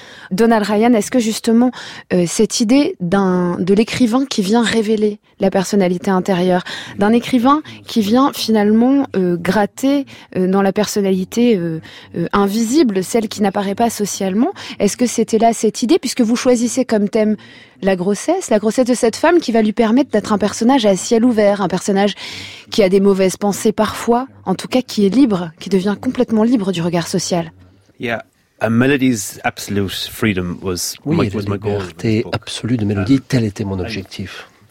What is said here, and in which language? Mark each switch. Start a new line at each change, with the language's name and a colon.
French: Donald Ryan, est-ce que justement cette idée de l'écrivain qui vient révéler la personnalité intérieure, d'un écrivain qui vient finalement gratter dans la personnalité invisible, celle qui n'apparaît pas socialement, est-ce que c'était là cette idée, puisque vous choisissez comme thème la grossesse de cette femme qui va lui permettre d'être un personnage à ciel ouvert, un personnage qui a des mauvaises pensées parfois, en tout cas qui est libre, qui devient complètement libre du regard social.
English: Yeah. A Melody's absolute freedom was
French: oui,
English: my, was my goal.
French: La liberté absolue de Mélodie, tel était mon objectif.